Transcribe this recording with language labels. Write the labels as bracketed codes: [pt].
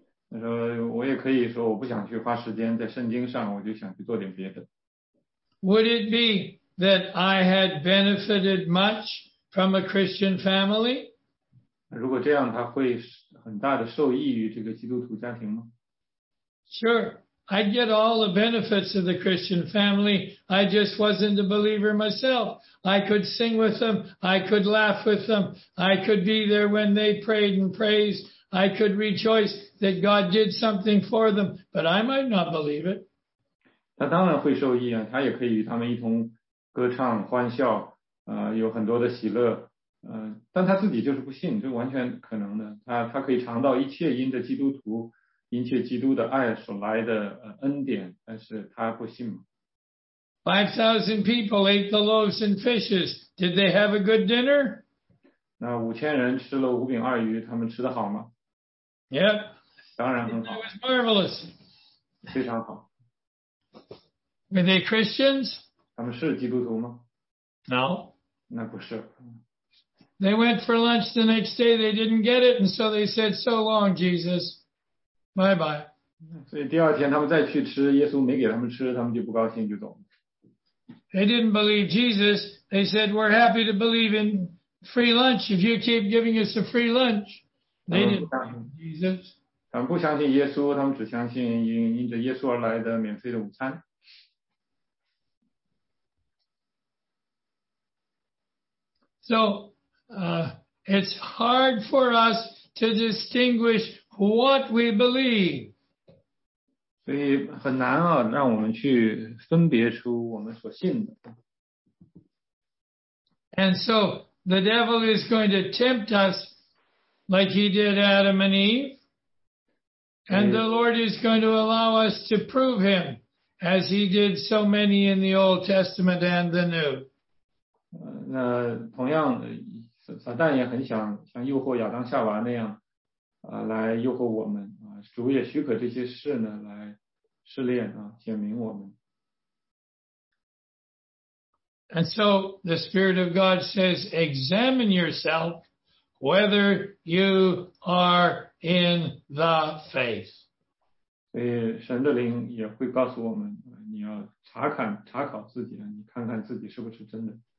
[zh] 他说，我也可以说，我不想去花时间在圣经上，我就想去做点别的。 [en] Would it be that I had benefited much from a Christian family? [zh] 如果这样，他会很大的受益于这个基督徒家庭吗？ [en] Sure, I'd get all the benefits of the Christian family. I just wasn't a believer myself. I could sing with them. I could laugh with them. I could be there when they prayed and praised. I could rejoice that God did something for them, but I might not believe it. [zh] 他当然会受益啊，他也可以与他们一同歌唱欢笑，有很多的喜乐，但他自己就是不信，这完全可能的。他可以尝到一切因着基督徒，因着基督的爱所来的恩典，但是他不信嘛。 [en] 5,000 people ate the loaves and fishes. Did they have a good dinner? [zh] 那5,000人吃了五饼二鱼，他们吃得好吗？ [en] Yep. [zh] 当然很好。 [en] It was marvelous. [zh] 非常好。 [en] Were they Christians? [zh] 他们是基督徒吗？ [en] No. [zh] 那不是。 [en] They went for lunch the next day. They didn't get it, and so they said, "So long, Jesus. Bye bye." [zh] 所以第二天他们再去吃，耶稣没给他们吃，他们就不高兴，就走。 [en] They didn't believe Jesus. They said, "We're happy to believe in free lunch if you keep giving us a free lunch." They didn't believe Jesus. [zh] 他们不相信耶稣，他们只相信因着耶稣而来的免费的午餐。 [en] So, it's hard for us to distinguish what we believe. [zh] 所以很难啊，让我们去分别出我们所信的。 [en] And so, the devil is going to tempt us like he did Adam and Eve. And the Lord is going to allow us to prove him as he did so many in the Old Testament and the New. [zh] 那同样撒旦也很想像诱惑亚当夏娃那样来诱惑我们主也许可这些事呢来试炼显明我们。 [en] And so the Spirit of God says, examine yourself whether you are in the faith. [zh] 所以神的灵也会告诉我们你要查考自己你看看自己是不是真的。